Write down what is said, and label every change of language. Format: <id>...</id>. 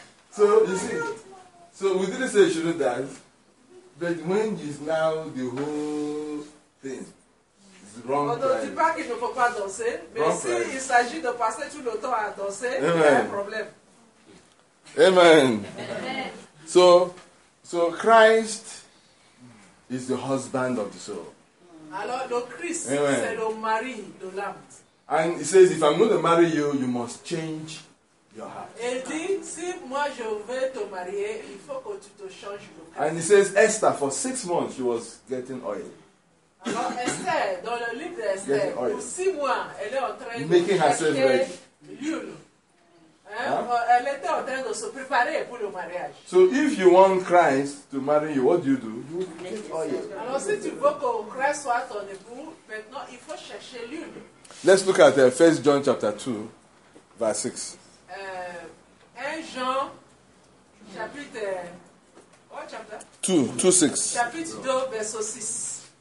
<en>So you see. So we didn't say you shouldn't dance, but when is now the whole thing is wrong. Although it's</en> <fr>not qu'il ne faut pas danser, mais si il s'agit de passer tout le temps à danser, il y a un problème.</fr> <en>Amen. Amen. So Christ is the husband of the soul.</en> <fr>Alors le Christ, c'est le mari de l'âme.</fr> <en>And he says, if I'm going to marry you, you must change your heart.</en> <fr>Il dit, si moi je veux te marier, il faut que tu te changes le cœur.</fr> <en>And he says, Esther, for 6 months, she was getting oil.</en> <fr>Alors Esther, dans le livre d'Esther, pour 6 mois, elle est en train</fr> <en>making</en> <fr>de</fr> <en>herself ready.</en> <fr>Elle était en train de se préparer pour le mariage.</fr> <en>So if you want Christ to marry you, what do? You make oil.</en> <fr>Alors si tu veux que Christ soit ton époux, maintenant il faut chercher l'huile.</fr> <en>Let's look at 1 John chapter 2, verse 6.</en> <fr>1 Jean, chapitre,</fr> <en>what chapter? 2:6.</en> <fr>Chapitre 2, verse 6.</fr>